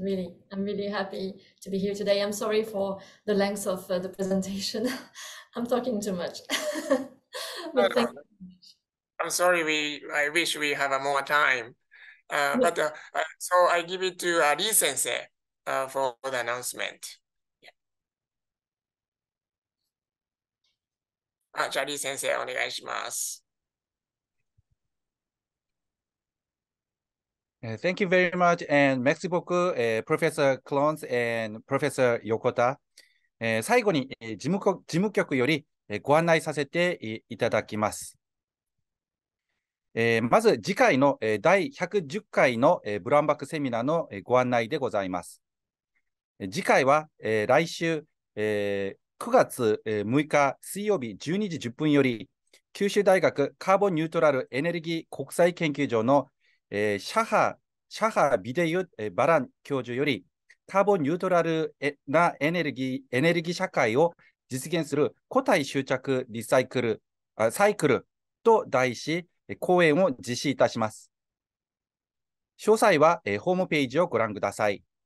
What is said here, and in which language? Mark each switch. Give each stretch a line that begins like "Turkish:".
English: Really, I'm really happy to be here today. I'm sorry for the length of the presentation. I'm talking too much. But thank you. I'm sorry. I wish we have more time. But so I give it to Ali Sensei for the announcement.
Japanese: あ、チャリー先生、お願いします。
English: Thank you very much, and
French: merci beaucoup,
English: Professor Clons and Professor Yokota.
Japanese: 最後に事務局よりご案内させていただきます。まず次回の第110回のブランバックセミナーのご案内でございます。次回は来週9月6日水曜日12時10分より、九州大学カーボンニュートラルエネルギー国際研究所のシャハビデユ・バラン教授より、カーボンニュートラルなエネルギー社会を実現する固体執着リサイクル、サイクルと題し、講演を実施いたします。詳細は、ホームページをご覧ください。